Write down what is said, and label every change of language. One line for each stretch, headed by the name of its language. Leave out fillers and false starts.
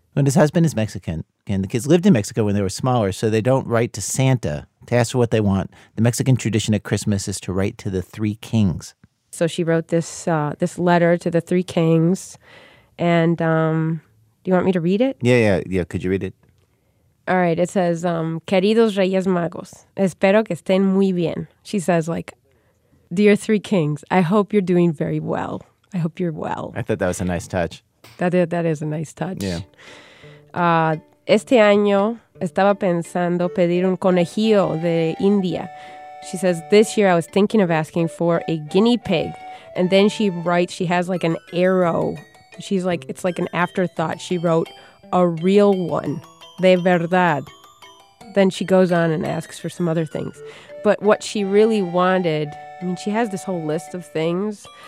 English: Linda's husband is Mexican, and the kids lived in Mexico when they were smaller, so they don't write to Santa to ask for what they want. The Mexican tradition at Christmas is to write to the three kings. So she wrote this letter to the three kings, and do you want me to read it? Yeah. Could you read it? All right. It says,
Spanish: Queridos Reyes Magos, espero que estén muy bien.
English: She says, like, dear three kings, I hope you're doing very well. I hope you're well. I thought that was a nice touch. That is a nice touch. Yeah.
Spanish: Este año estaba pensando pedir un conejillo de India.
English: She says, this year I was thinking of asking for a guinea pig. And then she writes, she has like an arrow. She's like, it's like an afterthought. She wrote, a real one.
Spanish: De verdad.
English: Then she goes on and asks for some other things. But what she really wanted, I mean, she has this whole list of things.